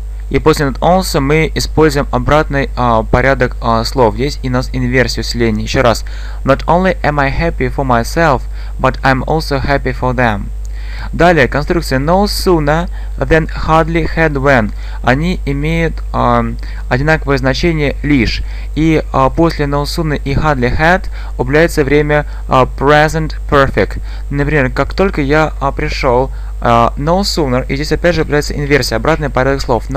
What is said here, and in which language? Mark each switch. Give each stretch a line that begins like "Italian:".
Russian: И после not also мы используем обратный порядок слов. Здесь и у нас инверсия усиления. Еще раз.
English: Not only am I happy for myself, but I'm also happy for them.
Russian: Далее, конструкция no sooner than hardly had when. Они имеют одинаковое значение лишь. И после no sooner и hardly had употребляется время present perfect. Например, как только я пришел, no sooner, и здесь опять же употребляется инверсия, обратный порядок слов.